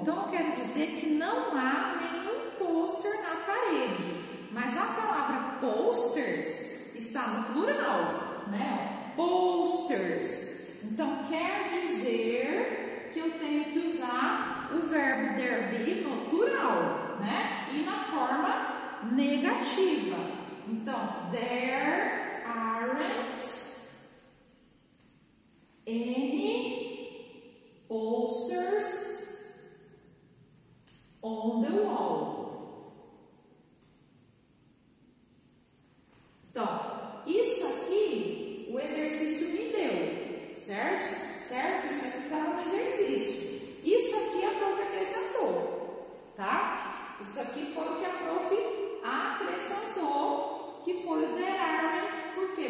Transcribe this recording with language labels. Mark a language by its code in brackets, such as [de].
[pt] Então eu quero dizer que não há nenhum poster na parede, mas a palavra posters está no plural, né? Posters. Então quer dizer que eu tenho que usar o verbo there be no plural, né? E na forma negativa. Então, [en] there aren't any posters on the wall. [pt] Então, isso aqui o exercício me deu, certo? Certo? Isso aqui estava no exercício. Isso aqui a prof acrescentou, tá? Isso aqui foi o que a prof acrescentou, que foi o there aren't. Por quê?